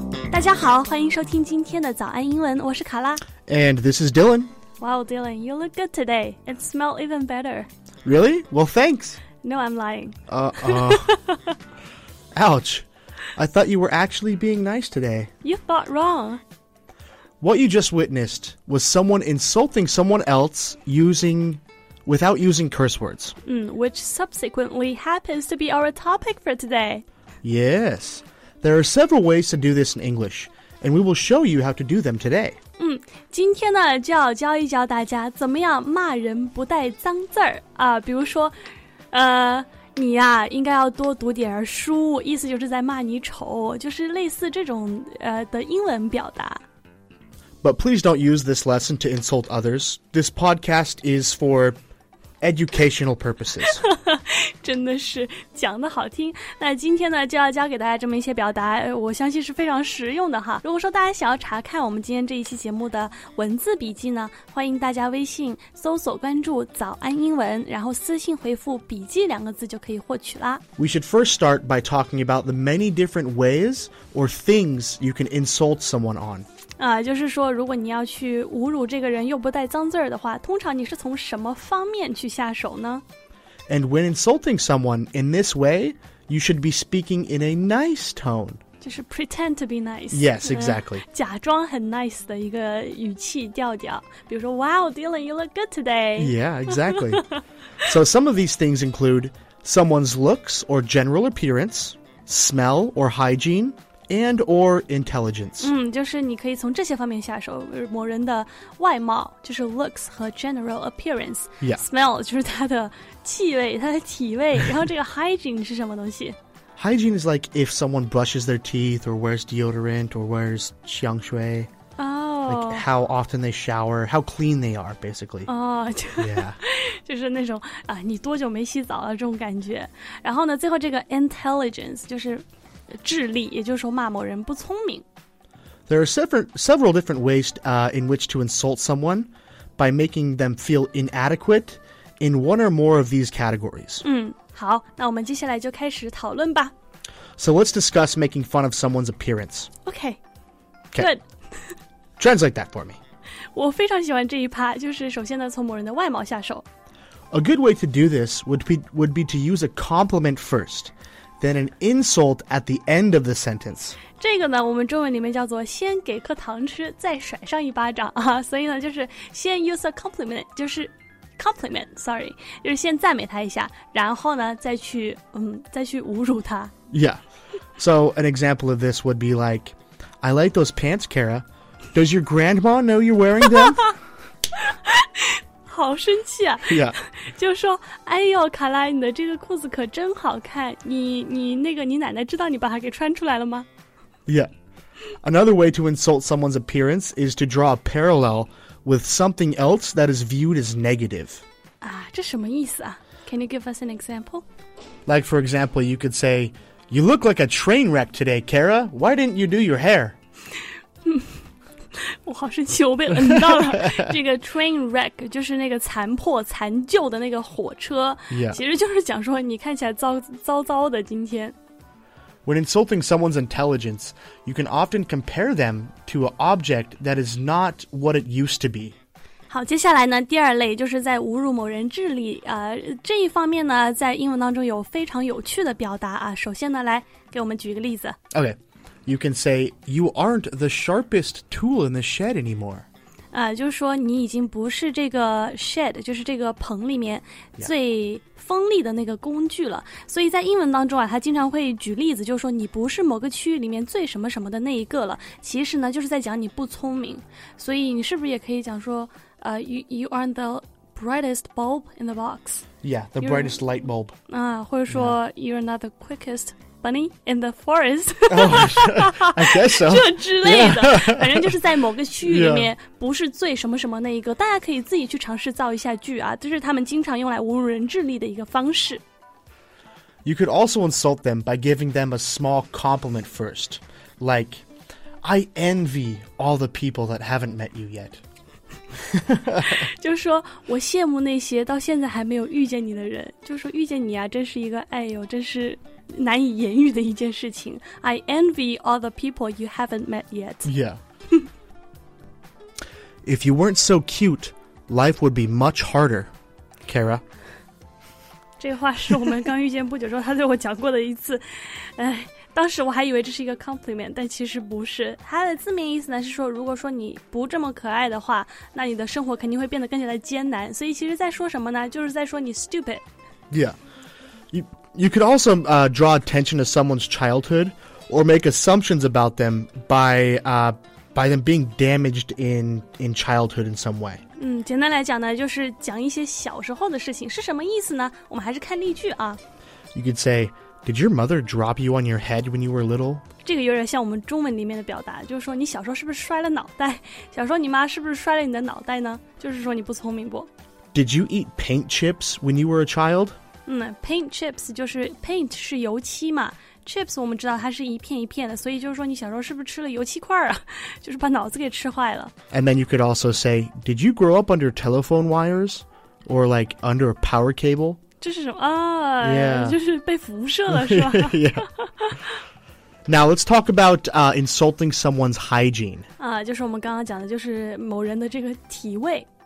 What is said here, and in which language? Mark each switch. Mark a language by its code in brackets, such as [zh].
[zh] 大家好，欢迎收听今天的早安英文，我是卡拉。 [en] And this is Dylan. Wow, Dylan, you look good today and smell even better. Really? Well, thanks. No, I'm lying. Ouch. I thought you were actually being nice today. You thought wrong. What you just witnessed was someone insulting someone else without using curse words. Which subsequently happens to be our topic for today. Yes. There are several ways to do this in English, and we will show you how to do them today. [zh] 今天呢就要教一教大家怎么样骂人不带脏字儿啊，比如说，你呀，应该要多读点书，意思就是在骂你丑，就是类似这种的英文表达。 [en] But please don't use this lesson to insult others. This podcast is for educational purposes. [zh] 真的是讲得好听。那今天呢，就要教给大家这么一些表达，我相信是非常实用的哈。如果说大家想要查看我们今天这一期节目的文字笔记呢，欢迎大家微信搜索关注早安英文，然后私信回复笔记两个字就可以获取啦。 [en] We should first start by talking about the many different ways or things you can insult someone on. [zh] 就是说如果你要去侮辱这个人又不带脏字的话，通常你是从什么方面去下手呢？ [en] And when insulting someone in this way, you should be speaking in a nice tone. [zh] 就是 [en] pretend to be nice. Yes, exactly. [zh] 假装很 nice 的一个语气调调。比如说 [en] Wow, Dylan, you look good today. Yeah, exactly. So some of these things include someone's looks or general appearance, smell or hygiene,and or intelligence. [zh] 就是你可以从这些方面下手，某人的外貌，就是 looks 和 general appearance. [en] Yeah. [zh] Smell 就是他的气味，他的体味，然后这个 hygiene 是什么东西？ [en] Hygiene is like if someone brushes their teeth or wears deodorant or wears 香水。 Like how often they shower, how clean they are, basically. Oh, yeah. [zh] 就是那种啊，你多久没洗澡了这种感觉。然后呢，最后这个 intelligence 就是智力，也就是说骂某人不聪明。 [en] There are several different ways in which to insult someone by making them feel inadequate in one or more of these categories. [zh] 好，那我们接下来就开始讨论吧。 [en] So let's discuss making fun of someone's appearance. Okay. Okay. Good. Translate that for me. [zh] 我非常喜欢这一趴，就是首先呢从某人的外貌下手。 [en] A good way to do this would be to use a compliment first. Then an insult at the end of the sentence. [zh] 这个呢，我们中文里面叫做先给颗糖吃，再甩上一巴掌啊。所以呢，就是先 [en] use a compliment, [zh] 就是 compliment, [en] sorry, [zh] 就是先赞美他一下，然后呢，再去侮辱他。 [en] Yeah. So an example of this would be like, I like those pants, Kara. Does your grandma know you're wearing them? [zh] 好生气啊。 [en] Yeah. [zh] 就说哎呦卡拉你的这个裤子可真好看，你那个你奶奶知道你把它给穿出来了吗？ [en] Yeah. Another way to insult someone's appearance is to draw a parallel with something else that is viewed as negative. [zh] 啊，这什么意思啊？ [en] Can you give us an example? Like for example, you could say, You look like a train wreck today, Kara. Why didn't you do your hair? [zh] 我好生气，我被摁到了。这个 train wreck 就是那个残破残旧的那个火车， [en] yeah. [zh] 其实就是讲说你看起来糟糟的今天。 [en] When insulting someone's intelligence, you can often compare them to an object that is not what it used to be. [zh] 好，接下来呢，第二类就是在侮辱某人智力这一方面呢，在英文当中有非常有趣的表达啊。首先呢，来给我们举一个例子。 [en] Okay. You can say, you aren't the sharpest tool in the shed anymore. [zh] 就是说你已经不是这个 shed, 就是这个棚里面最锋利的那个工具了。 [en] Yeah. [zh] 所以在英文当中啊，他经常会举例子，就是说你不是某个区域里面最什么什么的那一个了。其实呢，就是在讲你不聪明。所以你是不是也可以讲说 [en] you aren't the brightest bulb in the box. Yeah, the brightest light bulb. [zh] 或者说、 [en] yeah. you're not the quickest. Bunny in the forest. Oh, I guess so. [zh] 这之类的、yeah. 反正就是在某个区域里面不是最什么什么那一个、yeah. 大家可以自己去尝试造一下句啊，这是他们经常用来侮辱人智力的一个方式。 [en] You could also insult them by giving them a small compliment first. Like, I envy all the people that haven't met you yet. [zh] 就是说我羡慕那些到现在还没有遇见你的人，就是说遇见你啊，真是一个哎呦真是难以言喻的一件事情。 [en] I envy all the people you haven't met yet. Yeah. If you weren't so cute, life would be much harder, Kara. [zh] 这话是我们刚遇见不久之后他对我讲过的一次。当时我还以为这是一个 compliment, 但其实不是。它的字面意思呢是说如果说你不这么可爱的话那你的生活肯定会变得更加的艰难。所以其实在说什么呢就是在说你 stupid. [en] Yeah. You could also, draw attention to someone's childhood or make assumptions about them by them being damaged in childhood in some way. [zh] 简单来讲呢就是讲一些小时候的事情。是什么意思呢我们还是看例句啊。 [en] You could say,Did your mother drop you on your head when you were little? [zh] 这个有点像我们中文里面的表达，就是说你小时候是不是摔了脑袋？小时候你妈是不是摔了你的脑袋呢？就是说你不聪明不？ [en] Did you eat paint chips when you were a child? [zh] Paint chips 就是 paint 是油漆嘛 ，chips 我们知道它是一片一片的，所以就是说你小时候是不是吃了油漆块啊？就是把脑子给吃坏了。 [en] And then you could also say, Did you grow up under telephone wires, or like under a power cable? [zh] 这是什么、就是被辐射了是吧 [en] yeah. Now let's talk about insulting someone's hygiene、 [zh] 就是我们刚刚讲的就是某人的这个体味